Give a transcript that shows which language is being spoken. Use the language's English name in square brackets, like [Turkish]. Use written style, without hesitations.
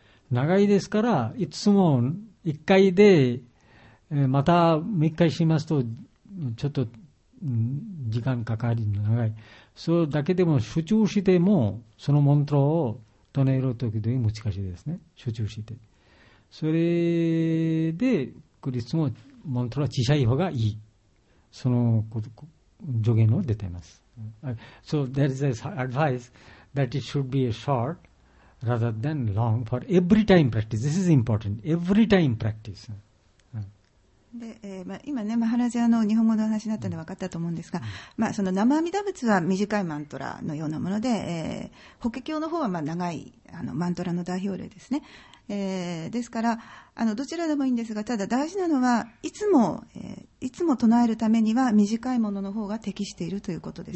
[Japanese] 長いですから、いつも一回で、またもう一回しますと、ちょっと時間かかり長い。それだけでも集中しても、そのモントラを唱えるときに難しいですね。集中して。それで、いつもモントラ小さい方がいい。その助言を出ています。 [English] So there is this advice that it should be short rather than long for every time practice. This is important. Every time practice. [Japanese] で、今ね、マハラジャの日本語の話になったので分かったと思うんですが、その南無阿弥陀仏は短いマントラのようなもので、法華経の方は長いマントラの代表例ですね。ですからどちらでもいいんですが、ただ大事なのはいつも唱えるためには短いものの方が適しているということです。